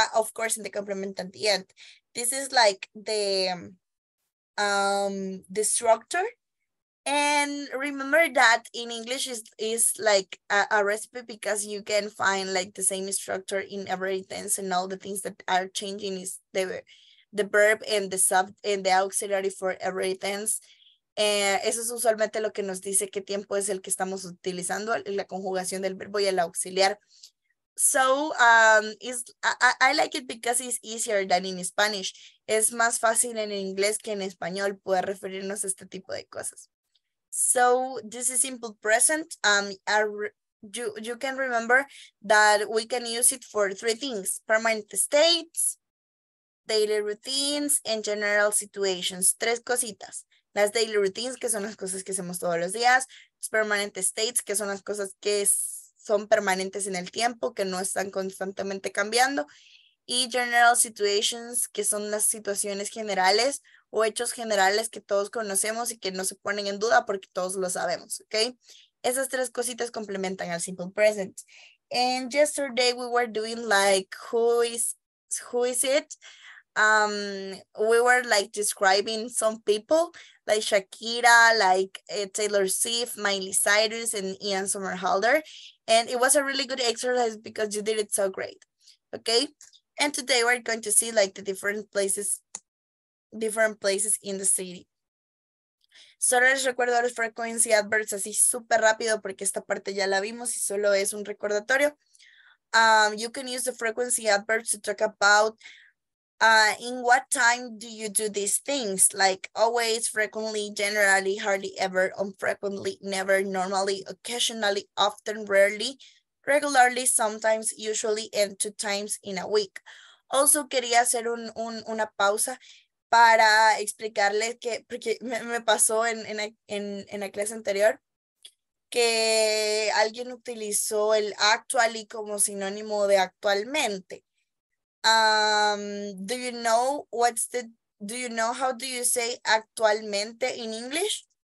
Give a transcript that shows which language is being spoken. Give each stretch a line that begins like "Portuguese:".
English: Of course, in the complement at the end. This is like the structure. And remember that in English is like a recipe, because you can find like the same structure in every tense, and all the things that are changing is the verb and the sub and the auxiliary for every tense.
Spanish: Eso es usualmente lo que nos dice qué tiempo es el que estamos utilizando, la conjugación del verbo y el auxiliar.
English: So I like it because it's easier than in Spanish.
Spanish: Es más fácil en inglés que en español poder referirnos a este tipo de cosas.
English: So this is simple present. You can remember that we can use it for three things: permanent states, daily routines, and general situations.
Spanish: Tres cositas. Las daily routines, que son las cosas que hacemos todos los días. Permanent states, que son las cosas que son permanentes en el tiempo, que no están constantemente cambiando. Y general situations, que son las situaciones generales o hechos generales que todos conocemos y que no se ponen en duda porque todos lo sabemos, ¿okay? Esas tres cositas complementan al simple present.
English: And yesterday we were doing like, who is it? We were like describing some people like Shakira, like Taylor Swift, Miley Cyrus, and Ian Somerhalder. And it was a really good exercise because you did it so great. Okay. And today we're going to see like the different places in the city.
Spanish: Solo les recuerdo los frequency adverbs así súper rápido porque esta parte ya la vimos y solo es un recordatorio.
English: You can use the frequency adverbs to talk about in what time do you do these things? Like always, frequently, generally, hardly ever, unfrequently, never, normally, occasionally, often, rarely, regularly, sometimes, usually, and two times in a week.
Spanish: Also, quería hacer una pausa para explicarles que, porque me pasó en la clase anterior, que alguien utilizó el actually como sinónimo de actualmente.
English: Do you know what's the, do you know how do you say actualmente in English?